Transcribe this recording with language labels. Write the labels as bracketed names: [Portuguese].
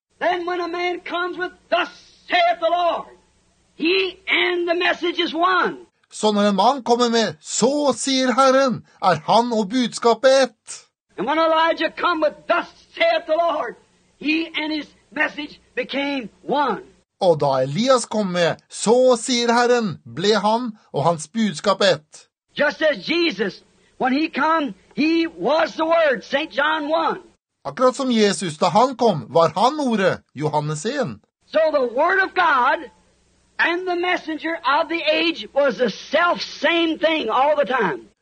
[English] Then when a man comes with, thus saith the Lord, he and the message is one. [Norwegian] Så når en mann kommer med, så sier Herren, han og budskapet ett. [English] And when Elijah come with, thus saith the Lord, he and his message became one. [Norwegian] Og da Elias kom med, så sier Herren, ble han og hans budskap ett. [English] Just as Jesus, when he come, he was the word, St. John 1. [Norwegian] Akkurat som Jesus, da han kom, var han ordet, Johannes 1. [English] So the word of God and the messenger of the age was the self-same thing all the time.